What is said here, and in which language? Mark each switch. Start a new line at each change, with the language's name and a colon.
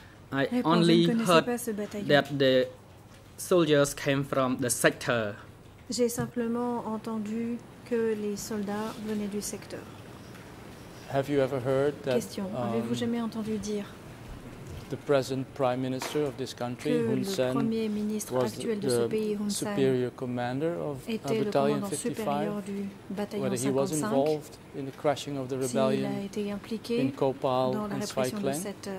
English: I only heard that the soldiers came from the sector.
French: J'ai simplement entendu que les soldats venaient du secteur.
English: Have you ever heard that?
French: Question. Avez-vous jamais entendu dire?
English: The present Prime Minister of this country, Hun Sen, was the superior commander of Battalion 55, whether he was involved in the crushing of the rebellion in Kopal and Svaikleng.